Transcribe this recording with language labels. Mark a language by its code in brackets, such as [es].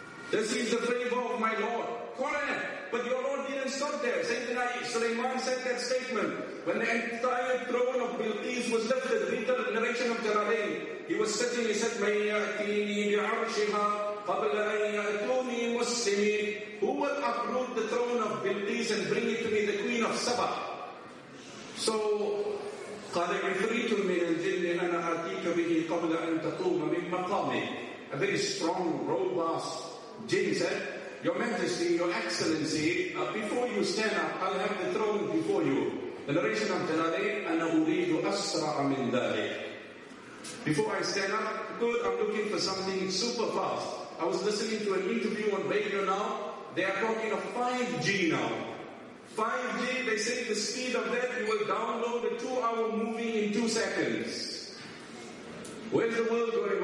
[en] This is the favor of my Lord. Quran. But your Lord didn't stop there. Sayyidina Sulaiman said that statement. When the entire throne of Bilqis was lifted, read the narration of Jalaleen. He was sitting, he said, [ar] مَنْ يَأْتِينِي بِعَرْشِهَا قَبْلَ أَنْ يَأْتُونِي مُسْلِمِينَ. [en] Who will uproot the throne of Bilqis and bring it to me, the Queen of Saba? [ar] So, قَالَ عِفْرِيتٌ مِنَ الْجِنِّ أَنَا أَتِيكَ بِهِ قَبْلَ أَنْ تَقُومَ مِنْ مَقَامِ. [en] A very strong, robust jinn said, Your Majesty, Your Excellency, before you stand up, I'll have the throne before you. The narration of Jalaleen, [ar] أَنَا أُرِيدُ أَسْرَعَ مِنْ ذَلِكَ. [en] Before I stand up, good, I'm looking for something super fast. I was listening to an interview on radio now. They are talking of 5G now. 5G, they say the speed of that, you will download a 2-hour movie in 2 seconds. Where's the world going?